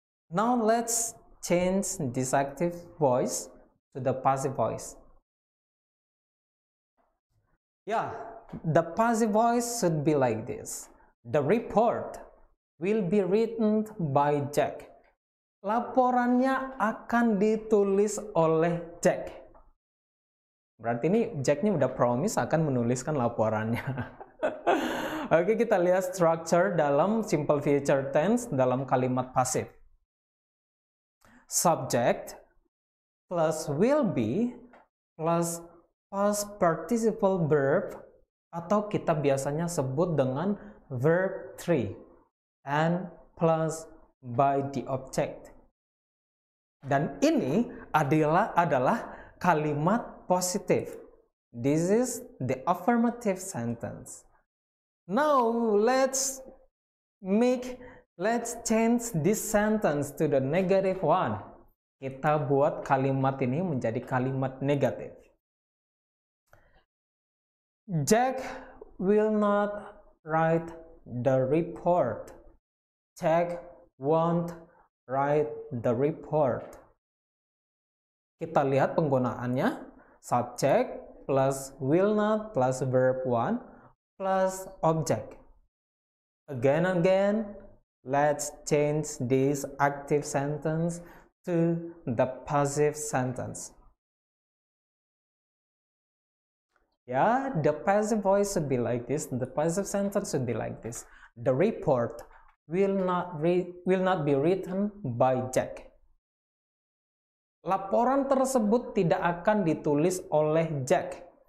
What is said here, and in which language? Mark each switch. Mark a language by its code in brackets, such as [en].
[en] Now let's change this active voice to the passive voice. Yeah, the passive voice should be like this. The report will be written by Jack. [id] Laporannya akan ditulis oleh Jack. Berarti ini Jack-nya udah promise akan menuliskan laporannya. Oke, kita lihat structure dalam simple future tense dalam kalimat pasif. [en] Subject plus will be plus past participle verb [id] atau kita biasanya sebut dengan [en] verb 3. And plus by the object. [id] Dan ini adalah kalimat positif. [en] This is the affirmative sentence. Now let's change this sentence to the negative one. [id] Kita buat kalimat ini menjadi kalimat negatif. [en] Jack will not write the report. Check won't write the report. [id] Kita lihat penggunaannya. [en] Subject plus will not plus verb 1 plus object. Again and again, let's change this active sentence to the passive sentence. Yeah, the passive voice should be like this. The passive sentence should be like this. The report will not be written by Jack. [id] Laporan tersebut tidak akan ditulis oleh Jack.